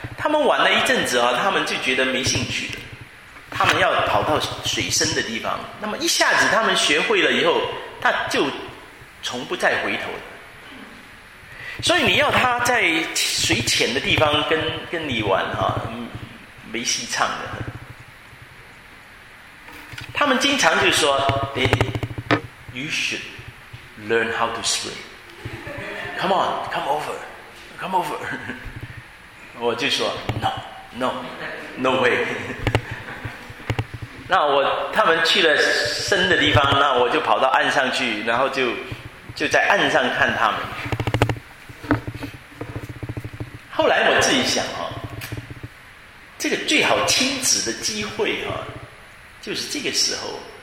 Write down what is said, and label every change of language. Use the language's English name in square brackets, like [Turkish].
[Chinese] 他们玩了一阵子啊，他们就觉得没兴趣了，他们要跑到水深的地方。那么一下子他们学会了以后，他就从不再回头了。所以你要他在水浅的地方跟你玩哈、啊，没戏唱的。他们经常就说 [English] ：“You should learn how to swim. Come on, come over, come over.” [Chinese] 我就说 [English] ：“No, no, no way.” [Chinese] 那我他们去了深的地方，那我就跑到岸上去，然后就在岸上看他们。后来我自己想啊，这个最好亲子的机会啊，就是这个时候。